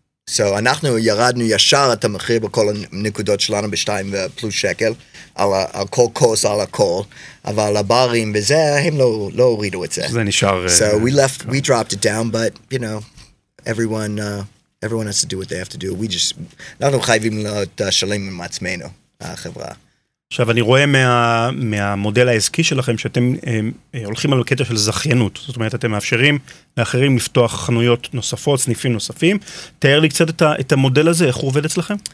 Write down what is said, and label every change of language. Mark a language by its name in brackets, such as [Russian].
[English] So [Hebrew] אנחנו ירדנו ישר את המחיר בכל הנקודות שלנו ב-2 פלוס שקל, על כל קוס, על הכל, אבל הברים וזה, הם לא הורידו את זה. זה נשאר. [English] So we dropped it down, but everyone has to do what they have to do. [Hebrew] אנחנו חייבים להיות שלם עם עצמנו, החברה. עכשיו אני רואה מהמודל העסקי שלכם שאתם הולכים על קטע של זכיינות, זאת אומרת אתם מאפשרים לאחרים לפתוח חנויות נוספות, סניפים נוספים. תאר לי קצת את המודל הזה, איך הוא עובד אצלכם?